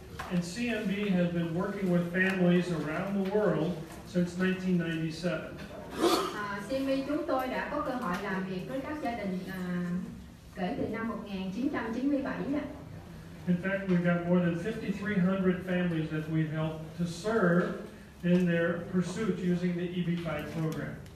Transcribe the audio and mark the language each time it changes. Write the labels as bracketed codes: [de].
[en] And CMB has been working with families around the world since 1997. [vi] CMB chúng tôi đã có cơ hội làm việc với các gia đình kể từ năm 1997 ạ. [en] In fact, we've got more than 5,300 families that we've helped to serve in their pursuit using the EB-5 program.